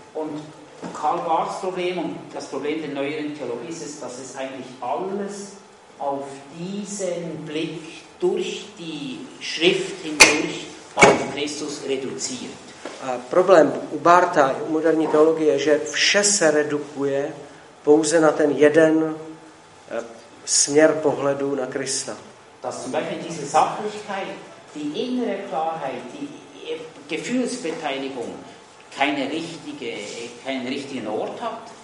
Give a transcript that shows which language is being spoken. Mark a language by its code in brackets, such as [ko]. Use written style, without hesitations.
[de] Und Karl Barths Problem und das Problem der neueren Theologie ist, dass es eigentlich alles auf diesen Blick durch die Schrift hindurch auf Christus reduziert. [cs] A problém u Bartha u moderní teologie je, že vše se redukuje pouze na ten jeden směr pohledu na Krista. [de] Dass zum Beispiel diese Sachlichkeit die innere Klarheit, die Gefühlsbeteiligung keine richtige, keinen richtigen Ort hat.